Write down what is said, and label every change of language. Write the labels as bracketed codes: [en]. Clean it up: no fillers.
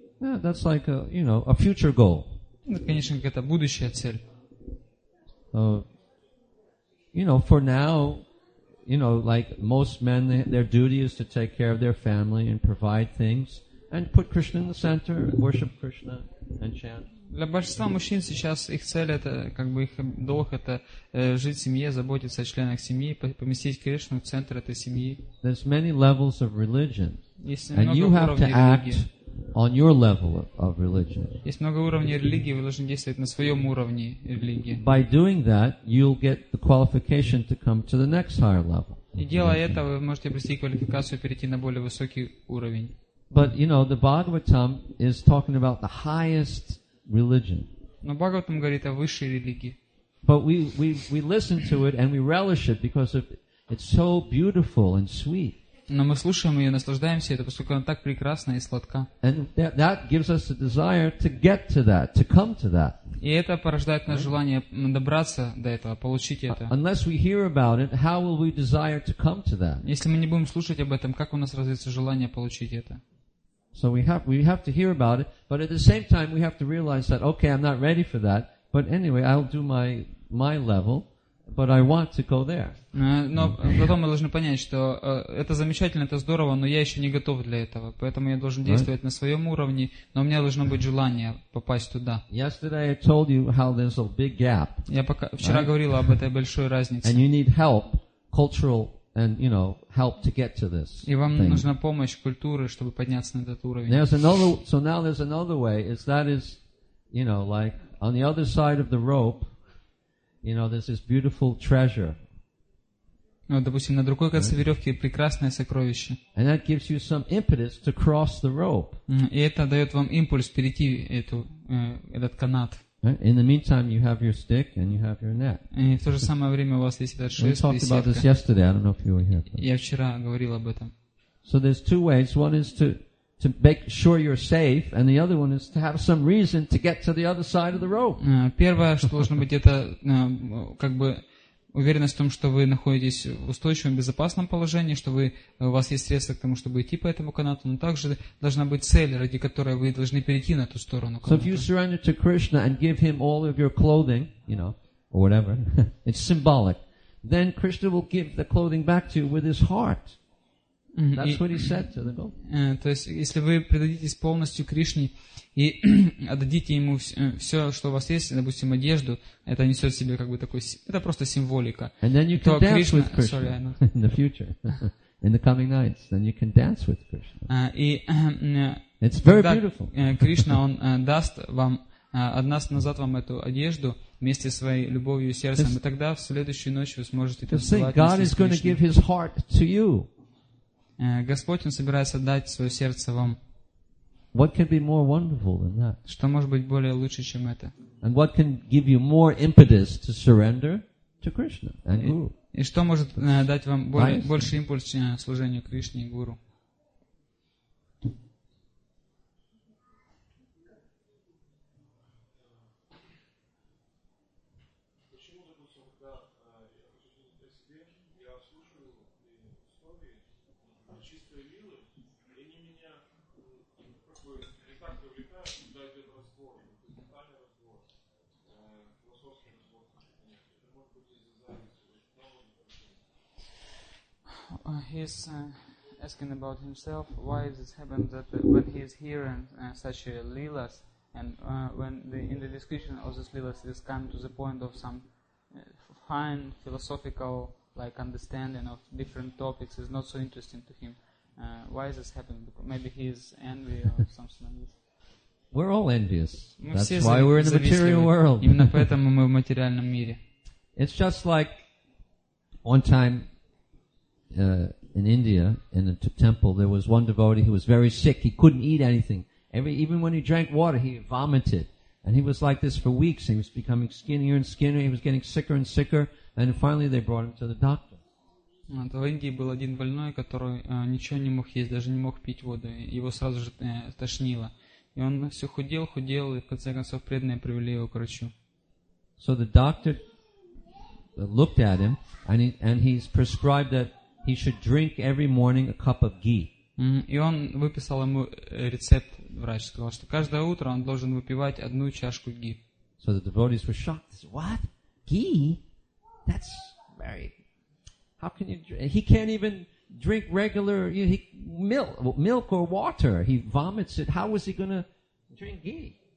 [en] Yeah, that's like a, you know, a future goal. [ru] Это, конечно, какая-то будущая цель. [en] You know, for now, you know, like most men, their duty is to take care of their family and provide things and put Krishna in the center, worship Krishna and chant. [ru] Для большинства мужчин сейчас их цель это как бы их долг это жить в семье, заботиться о членах семьи, поместить Кришну в центр этой семьи. [en] There's many levels of religion. [ru] Есть [en] and you have to [ru] религии. [en] Act on your level of religion. [ru] Есть много уровней религии, вы должны действовать на своем уровне религии. [en] By doing that, you'll get the qualification to come to the next higher level. [ru] И делая это, вы можете обрести квалификацию и перейти на более высокий уровень. [en] But you know, the Bhagavatam is talking about the highest religion. [ru] Но Бхагаватам говорит о высшей религии. [en] But we listen to it and we relish it because it's so beautiful and sweet. [ru] Но мы слушаем ее, наслаждаемся это, поскольку она так прекрасна и сладка. [en] And that gives us a desire to get to that, to come to that. [ru] И это порождает нас желание добраться до этого, получить это. [en] Unless we hear about it, how will we desire to come to that? [ru] Если мы не будем слушать об этом, как у нас развится желание получить это? [en] So we have to hear about it, but at the same time we have to realize that okay, I'm not ready for that, but anyway, I'll do my level. But I want to go there. [ru] Но потом мы должны понять, что это замечательно, это здорово, но я еще не готов для этого. Поэтому я должен действовать на своем уровне, но у меня должно быть желание попасть туда. [en] Yesterday I told you how there's a big gap. [ru] Я пока вчера говорил об этой большой разнице. [en] And you need help, cultural and, you know, help to get to this. [ru] И вам нужна помощь культуры, чтобы подняться на этот уровень. [en] There's another. So now there's another way. Is that is, you know, like on the other side of the rope. You know, there's this beautiful treasure. [ru] Ну, допустим, на другой конце веревки прекрасное сокровище. [en] And that gives you some impetus to cross the rope. [ru] И это дает вам импульс перейти этот канат. [en] In the meantime, you have your stick and you have your net. [ru] И в то же самое время у вас есть этот шест и сетка. [en] We talked about this yesterday. I don't know if you were here. [ru] Я вчера говорил об этом. [en] So there's two ways. One is to make sure you're safe, and the other one is to have some reason to get to the other side of the rope. [ru] Первое, что должно быть, это как бы уверенность в том, что вы находитесь в устойчивом, безопасном положении, что у вас есть средства к тому, чтобы идти по этому канату, но также должна быть цель, ради которой вы должны перейти на ту сторону каната. [en] So if you surrender to Krishna and give him all of your clothing, you know, or whatever, it's symbolic, then Krishna will give the clothing back to you with his heart. That's what he said to the gopis. [ru] То есть, если вы предадитесь полностью Кришне и отдадите ему все, что у вас есть, допустим, одежду, это несет в себе как бы такой, это просто символика. [en] And then you can dance with Krishna in the future, in the coming nights. Then you can dance with Krishna. It's very beautiful. [ru] Кришна, он даст вам, отдаст назад вам эту одежду вместе с своей любовью и сердцем, и тогда в следующую ночь вы сможете танцевать. [en] God is going to give His heart to you. [ru] Господь, Он собирается дать свое сердце вам. [en] What can be more wonderful than that? [ru] Что может быть более лучше, чем это? [en] And what can give you more impetus to surrender to Krishna and Guru? [ru] И что может дать вам больше импульс к служению Кришне и Гуру? [en] He's asking about himself, why is it happened that when he is hearing such a leelas, and when in the description of this leelas, it has come to the point of some fine philosophical like understanding of different topics, is not so interesting to him. Why is this happening? Maybe he is envy or something like this. We're all envious. That's why we're in the material world. [ru] Именно поэтому мы в материальном мире. [en] It's just like one time in India, in a temple, there was one devotee who was very sick. He couldn't eat anything. Even when he drank water, he vomited. And he was like this for weeks. He was becoming skinnier and skinnier. He was getting sicker and sicker. And finally, they brought him to the doctor. [ru] В Индии был один больной, который ничего не мог есть, даже не мог пить воду. Его сразу же тошнило. И он все худел, худел, и в конце концов преданные привели его к врачу. [en] So the doctor looked at him, and he's prescribed that he should drink every morning a cup of ghee. [ru] И он выписал ему рецепт, врач сказал, что каждое утро он должен выпивать одну чашку ги. [en] So the devotees were shocked. What? Ghee? That's very... How can you... He can't even drink regular milk or water. He vomits it. How is he going to drink ghee?